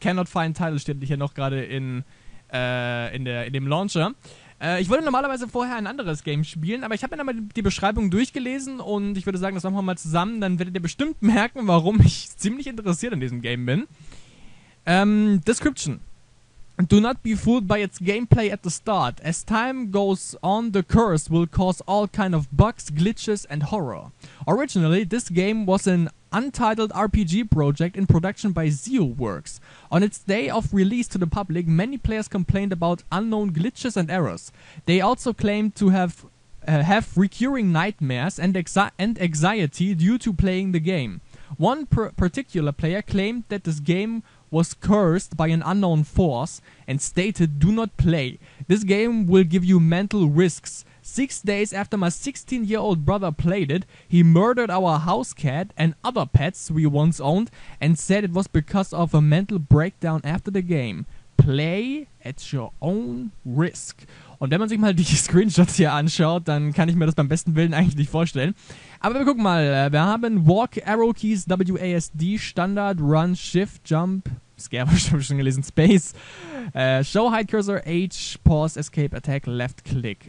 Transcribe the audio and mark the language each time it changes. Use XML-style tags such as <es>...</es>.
<de>Cannot Find Title steht hier noch gerade in dem Launcher. Ich wollte normalerweise vorher ein anderes Game spielen, aber ich habe mir nochmal die Beschreibung durchgelesen und ich würde sagen, das machen wir mal zusammen, dann werdet ihr bestimmt merken, warum ich ziemlich interessiert an diesem Game bin.</de> <en>Description. Do not be fooled by its gameplay at the start. As time goes on, the curse will cause all kind of bugs, glitches and horror. Originally, this game was an untitled RPG project in production by ZioWorks. On its day of release to the public, many players complained about unknown glitches and errors. They also claimed to have recurring nightmares and anxiety due to playing the game. One particular player claimed that this game was cursed by an unknown force and stated, "Do not play. This game will give you mental risks." 6 days after my 16-year-old brother played it, he murdered our house cat and other pets we once owned and said it was because of a mental breakdown after the game. Play at your own risk.</en> <de>Und wenn man sich mal die Screenshots hier anschaut, dann kann ich mir das beim besten Willen eigentlich nicht vorstellen. Aber wir gucken mal, wir haben Walk, Arrow Keys, WASD, Standard, Run, Shift, Jump, Scare, habe ich schon gelesen, Space, Show, Hide, Cursor, H, Pause, Escape, Attack, Left, Click.</de>